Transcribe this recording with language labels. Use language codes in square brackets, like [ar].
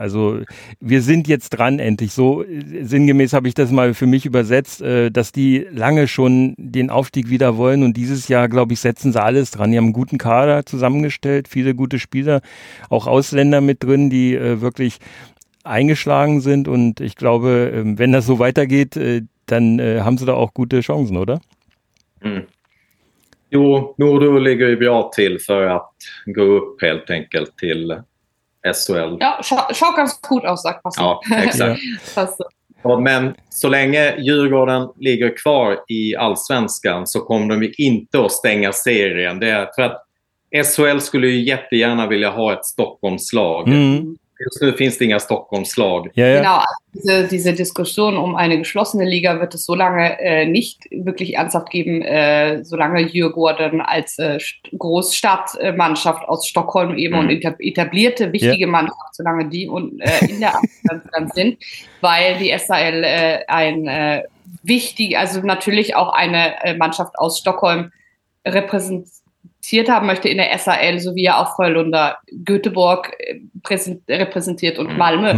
[de] Also wir sind jetzt dran endlich. So sinngemäß habe ich das mal für mich übersetzt, dass die lange schon den Aufstieg wieder wollen und dieses Jahr, glaube ich, setzen sie alles dran. Die haben einen guten Kader zusammengestellt, viele gute Spieler, auch Ausländer mit drin, die wirklich eingeschlagen sind und ich glaube, wenn das so weitergeht, dann haben sie da auch gute Chancen, oder? [sv] Jo, nur du ligger ju bra till för att gå upp helt enkelt till SHL. [de] Ja, schaut ganz gut aus, sagt Passo. [sv] Ja, exakt. Men så länge Djurgården ligger kvar i Allsvenskan så kommer de ju inte att stänga serien. Det är för att SHL skulle ju jättegärna vilja ha ett Stockholmslag. Mm. Just nu finns det inga Stockholmslag. Ja. [de] Genau, diese Diskussion um eine geschlossene Liga wird es so lange nicht wirklich ernsthaft geben, solange Djurgården als Großstadtmannschaft aus Stockholm eben und etablierte wichtige Mannschaft, solange die in der Allsvenskan sind, weil die SHL natürlich auch eine Mannschaft aus Stockholm repräsentiert haben möchte in der SHL, so wie ja auch Frölunda Göteborg repräsentiert und Malmö.